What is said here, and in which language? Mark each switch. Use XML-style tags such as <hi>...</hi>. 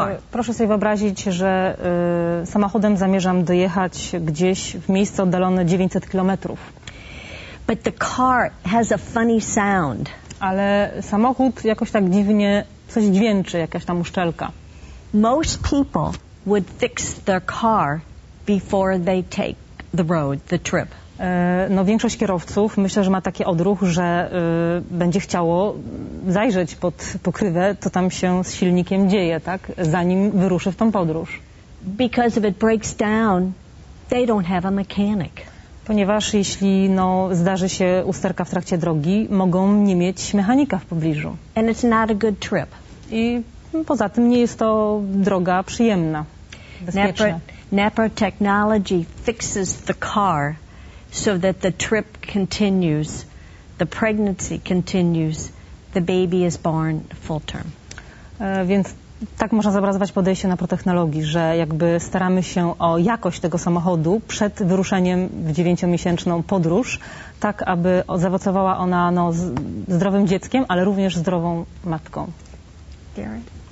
<pl>Proszę sobie wyobrazić, że samochodem zamierzam dojechać gdzieś w miejsce oddalone 900 kilometrów.</pl> <en>But the car has a funny sound.</en> <pl>Ale samochód jakoś tak dziwnie coś dźwięczy, jakaś tam uszczelka.</pl> <en>Most people would fix their car before they take the road, the trip.</en> <pl>No większość kierowców myślę, że ma taki odruch, że będzie chciało zajrzeć pod pokrywę, co tam się z silnikiem dzieje, tak, zanim wyruszy w tą podróż.</pl> <en>Because if it breaks down, they don't have a mechanic.</en> <pl>Ponieważ jeśli zdarzy się usterka w trakcie drogi, mogą nie mieć mechanika w pobliżu.</pl> <en>And it's not a good trip.</en> <pl>I poza tym nie jest to droga przyjemna, bezpieczna.</pl> <en>NEPR technology fixes the car so that the trip continues, the pregnancy continues, the baby is born full term.</en> <pl>Więc tak można zobrazować podejście na protechnologii, że jakby staramy się o jakość tego samochodu przed wyruszeniem w 9-miesięczną podróż, tak aby zaowocowała ona zdrowym dzieckiem, ale również zdrową matką.</pl> <en>Darren.</en>